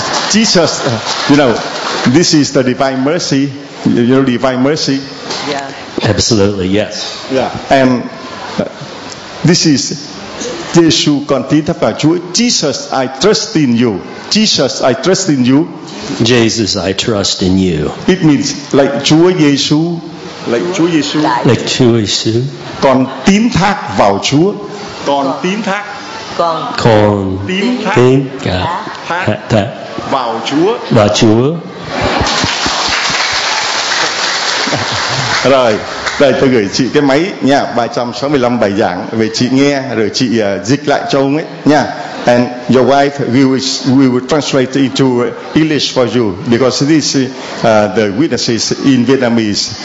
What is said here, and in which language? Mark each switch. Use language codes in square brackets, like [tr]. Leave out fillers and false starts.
[en] Jesus, you know, this is the divine mercy. You know divine mercy? Yeah. Absolutely, yes. Yeah. And this is Jesus, [vi] con tin thật vào Chúa. [en] Jesus, I trust in you. Jesus, I trust in you. Jesus, I trust in you. It means like Chúa Giêsu, like Chúa Giêsu, like Chúa Giêsu. [vi] Con tin thác vào Chúa. Con tin thác. Con tin thác vào Chúa. Vào Chúa. Rồi, đây tôi gửi chị cái máy nha, 365 bài giảng về chị nghe rồi chị dịch lại cho ông ấy nha. [en] And your wife we will translate into English for you because this the witnesses in Vietnamese.